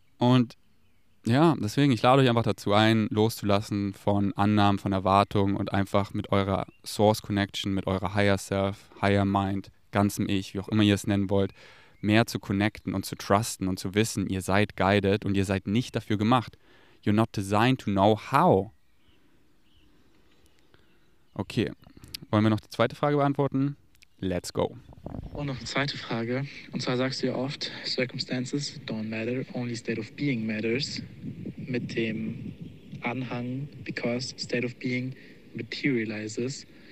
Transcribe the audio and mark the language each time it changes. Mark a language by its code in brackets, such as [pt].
[de] Und ja, deswegen, ich lade euch einfach dazu ein, loszulassen von Annahmen, von Erwartungen und einfach mit eurer Source Connection, mit eurer Higher Self, Higher Mind, ganzem Ich, wie auch immer ihr es nennen wollt, mehr zu connecten und zu trusten und zu wissen, ihr seid guided und ihr seid nicht dafür gemacht. [en] You're not designed to know how. [de] Okay, wollen wir noch die zweite Frage beantworten? [en] Let's go. [de] Und noch eine zweite Frage. Und zwar sagst du ja oft, [en] circumstances don't matter, only state of being matters. [de] Mit dem Anhang, [en] because state of being materializes.